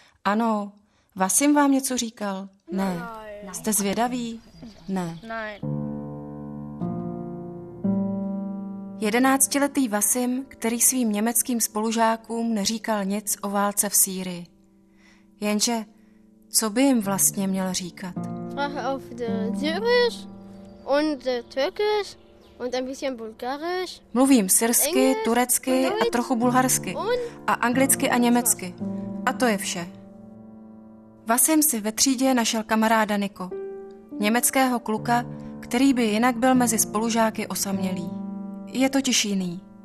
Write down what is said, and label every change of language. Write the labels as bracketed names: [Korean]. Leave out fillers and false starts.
[Czech] Ano. Vasim vám něco říkal? Ne. Jste zvědaví? Ne. 11letý Vasim, který svým německým spolužákům neříkal nic o válce v Sýrii. Jenže, co by jim vlastně měl říkat? [German] Sprache auf Syrisch und Türkisch und ein bisschen Bulgarisch. [Czech] Mluvím syrsky, turecky a trochu bulharsky a anglicky a německy. A to je vše. Vasim si ve třídě našel kamaráda Niko, německého kluka, který by jinak byl mezi spolužáky osamělý. Je totiž jiný.